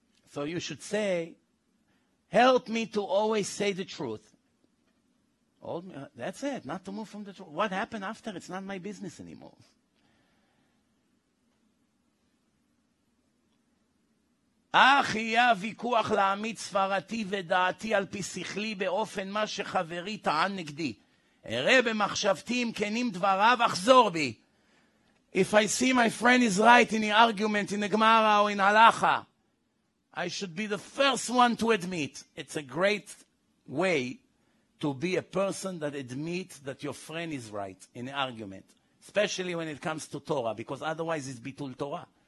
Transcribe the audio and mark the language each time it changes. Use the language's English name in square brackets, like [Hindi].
[English] So you should say, help me to always say the truth. Hold me, that's it, not to move from the truth. What happened after? It's not my business anymore. [Hebrew] אך יהיה ויכוח להעמיד ספרתי ודעתי על פי שכלי באופן מה שחברי טען נגדי. הרי במחשבתי אם כנים דבריו אחזור בי. [English] If I see my friend is right in the argument in the Gemara or in Halacha, I should be the first one to admit. It's a great way to be a person that admits that your friend is right in an argument, especially when it comes to Torah, because otherwise it's bitul Torah.